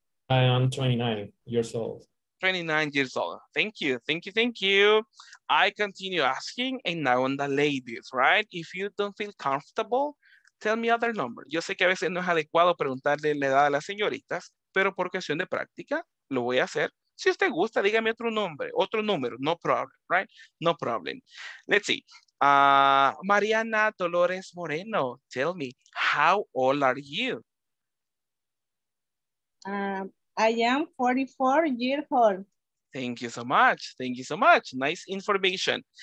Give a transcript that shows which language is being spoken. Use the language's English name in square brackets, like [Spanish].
[English] I am 29 years old. 29 years old. Thank you. Thank you. Thank you. I continue asking, and now on the ladies, right? If you don't feel comfortable, tell me other number. [Spanish] Yo sé que a veces no es adecuado preguntarle la edad a las señoritas, pero por cuestión de práctica, lo voy a hacer. Si usted gusta, dígame otro nombre, otro número. [English] No problem, right? No problem. Let's see. Mariana Dolores Moreno, tell me, how old are you? I am 44 years old. Thank you so much. Thank you so much. Nice information.